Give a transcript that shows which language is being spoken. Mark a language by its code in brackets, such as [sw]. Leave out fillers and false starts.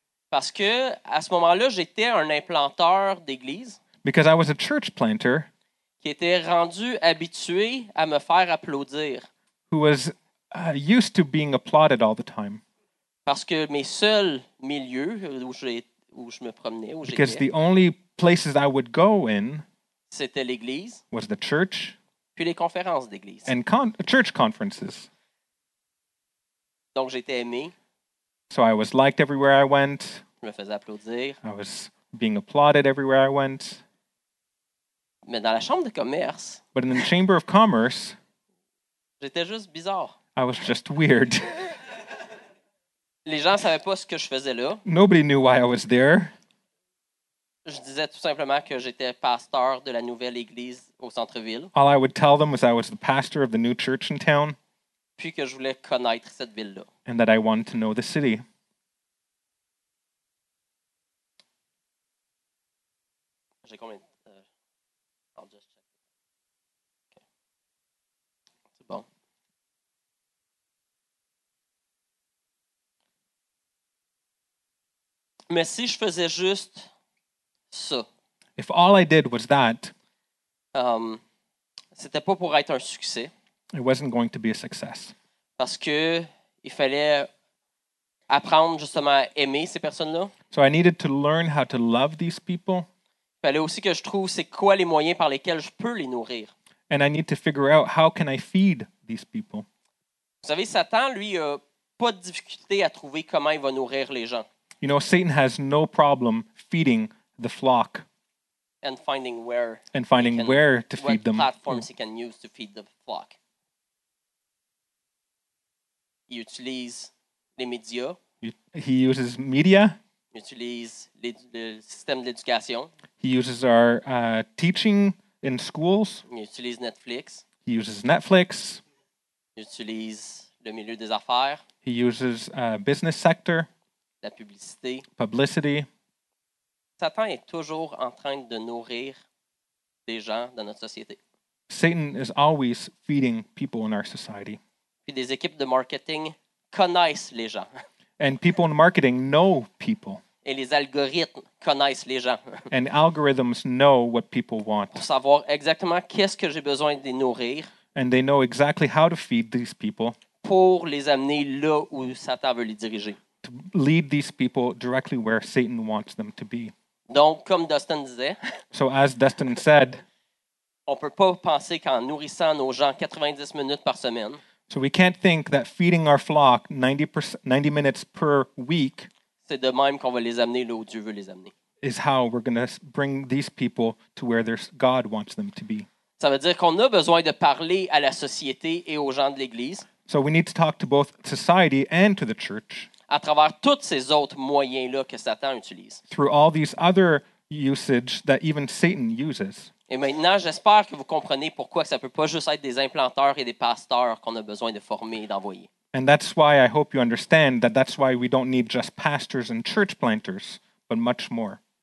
[fr] Parce que à ce moment-là, j'étais un implanteur d'église. [en] Because I was a church planter. [fr] Qui était rendu habitué à me faire applaudir. [en] Who was used to being applauded all the time. [fr] Parce que mes seuls milieux où je me promenais, où j'étais. [en] Because the only places I would go in. [fr] C'était l'église. [en] Was the church. [fr] Puis les conférences d'église. [en] And church conferences. [fr] Donc j'étais aimé. [en] So I was liked everywhere I went. [fr] Je me faisais applaudir. [en] I was being applauded everywhere I went. [fr] Mais dans la chambre de commerce. [en] But in the chamber of commerce. [fr] J'étais juste bizarre. [en] I was just weird. [fr] Les gens savaient pas ce que je faisais là. [en] Nobody knew why I was there. [fr] Je disais tout simplement que j'étais pasteur de la nouvelle église au centre-ville. [en] All I would tell them was I was the pastor of the new church in town. [fr] Puis que je voulais connaître cette ville-là. [en] And that I wanted to know the city. [fr] J'ai combien de... [en] I'll just check. Okay. [fr] C'est bon. Mais si je faisais juste... ça. [en] If all I did was that, [fr] c'était pas pour être un succès. [en] It wasn't going to be a success. [fr] Parce que il fallait apprendre justement à aimer ces personnes-là. [en] So I needed to learn how to love these people. [fr] Il fallait aussi que je trouve c'est quoi les moyens par lesquels je peux les nourrir. [en] And I need to figure out how can I feed these people. [fr] Vous savez, Satan, lui, a pas de difficulté à trouver comment il va nourrir les gens. [en] You know, Satan has no problem feeding the flock and finding where to feed them. He can use to feed the flock. [fr] Il utilise les médias. [en] He uses media. [fr] Il utilise le système de l'éducation. [en] He uses our teaching in schools. [fr] Il utilise Netflix. [en] He uses Netflix. [fr] Il utilise le milieu des affaires. [en] He uses business sector. [fr] La publicité. [en] Publicity. [fr] Satan est toujours en train de nourrir des gens dans notre société. [en] Satan is always feeding people in our society. [fr] Puis des équipes de marketing connaissent les gens. [en] And people in marketing know people. [fr] Et les algorithmes connaissent les gens. [en] And algorithms know what people want. [fr] Pour savoir exactement qu'est-ce que j'ai besoin de nourrir. [en] And they know exactly how to feed these people. [fr] Pour les amener là où Satan veut les diriger. [en] To lead these people directly where Satan wants them to be. [fr] Donc, comme Dustin disait, [en] so as Dustin said, [fr] on peut pas penser qu'en nourrissant nos gens 90 minutes par semaine, [en] so we can't think that feeding our flock 90 minutes per week, [fr] c'est de même qu'on va les amener là où Dieu veut les amener. [en] Is how we're going to bring these people to where God wants them to be. [fr] Ça veut dire qu'on a besoin de parler à la société et aux gens de l'église. [en] So we need to talk to both society and to the church. [fr] À travers tous ces autres moyens là que Satan utilise. [en] Through all these other usage that even Satan uses. [fr] Et maintenant, j'espère que vous comprenez pourquoi ça peut pas juste être des implanteurs et des pasteurs qu'on a besoin de former et d'envoyer. [en] And that's why I hope you understand that that's why we don't need just pastors and church planters, but much more.